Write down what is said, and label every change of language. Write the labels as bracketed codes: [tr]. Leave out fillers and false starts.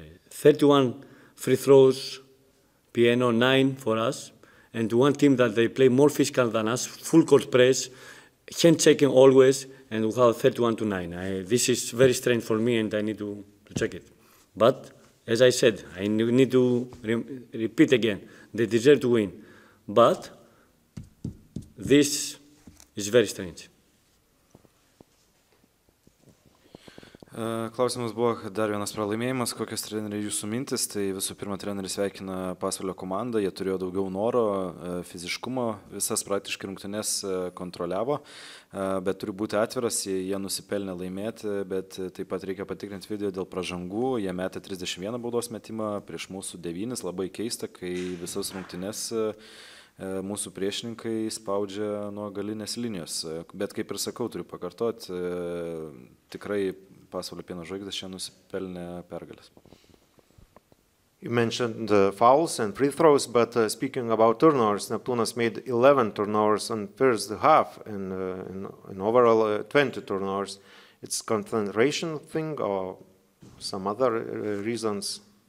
[en] 31 free throws, Pieno 9 for us, and one team that they play more physical than us, full court press, hand checking always, and we have 31-9. This is very strange for me, and I need to check it. But as I said, I need to repeat again, they deserve to win. But this is very strange. [lt] Klausimas buvo dar vienas pralaimėjimas. Kokios treneriai jūsų mintis? Tai visų pirma, treneris sveikina Pasvalio komandą. Jie turėjo daugiau noro, fiziškumo, visas praktiškai rungtynes kontroliavo, bet turi būti atviras, jie nusipelnė laimėti, bet taip pat reikia patikrinti video dėl pražangų. Jie metė 31 baudos metimą, prieš mūsų 9, labai keista, kai visas rungtynes mūsų priešininkai spaudžia nuo galinės linijos. Bet kaip ir sakau, turiu pakartoti, tikrai Pasvalio Pieno žvaigždės šiandien nusipelnė pergalės. [en] You mentioned fouls and free throws, but speaking about turnovers, Neptūnas made 11 turnovers on first half and in overall 20 turnovers. It's concentration thing or some other reasons?